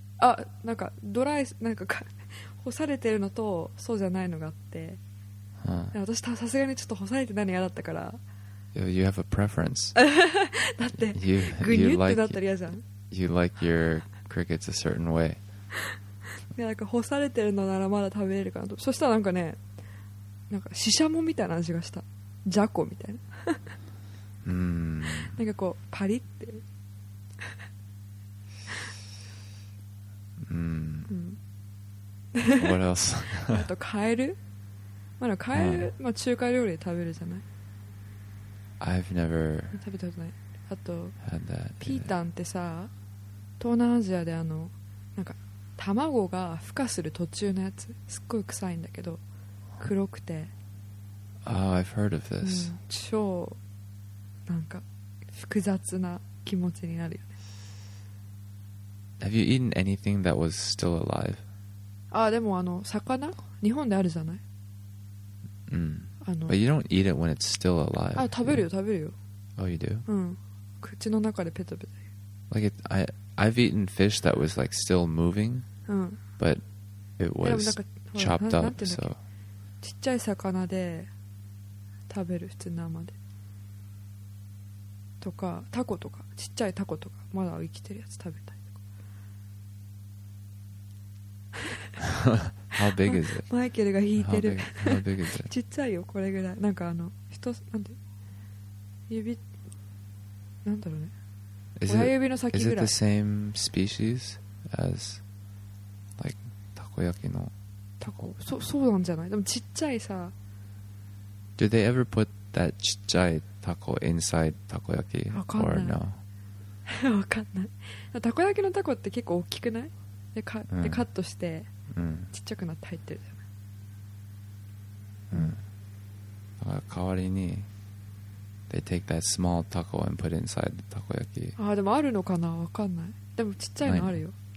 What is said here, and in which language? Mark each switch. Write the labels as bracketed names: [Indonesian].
[Japanese] あ、なんか、ドライ、なんか、干されてるのとそうじゃないのがあって、 huh. 私さすがにちょっと干されてないの嫌だったから [English] You have a preference [Japanese] だってグニュってなったら嫌じゃん [English] You like your crickets a certain way [Japanese] いやなんか干されてるのならまだ食べれるかなとそしたらなんかねなんかシシャモみたいな味がしたジャコみたいな mm. なんかこうパリってうん、 [English] mm. What else? [Japanese] あとカエル、まあ、カエル、まあ、中華料理で食べるじゃない [English] I've never [Japanese] 食べたことないあと [English] had that [Japanese] ピータンってさ東南アジアであのなんか卵が孵化する途中のやつすっごい臭いんだけど黒くて [English] Oh, I've heard of this、う [Japanese] ん、超なんか複雑な気持ちになるよね [English] Have you eaten anything that was still alive? [Japanese] ああでもあの魚日本であるじゃない。うん。あの。 [English] But you don't eat it when it's still alive. [Japanese] あ食べるよ食べるよ。 [English] Oh you do? [Japanese] うん。口の中でペタペタ。 [English] Like it, I've eaten fish that was like still moving. [Japanese] うん。 [English] But it was chopped up. So. [Japanese] ちっちゃい魚で食べる普通生で。とかタコとかちっちゃいタコとかまだ生きてるやつ食べたい。 [English] How big is it? [Japanese] マイケルが引いてる [English] How big is it? [Japanese] ちっちゃいよこれぐらいなんかあの一つなんて指なんだろうね親指の先ぐらい [English] Is it the same species as like たこ焼きの [Japanese] たこそうなんじゃないでもちっちゃいさ [English] Do they ever put that [Japanese] ちっちゃいたこ [English] inside たこ焼き or no? [Japanese] わかんないたこ焼きのたこって結構大きくないで、か、で、カットして、うん、ちっちゃくなって入ってるじゃない。うん。だから代わりに、 [English] they take that small taco and put inside the takoyaki。 [Japanese] ああ、でもあるのかな、わかんない。でもちっちゃいのあるよ。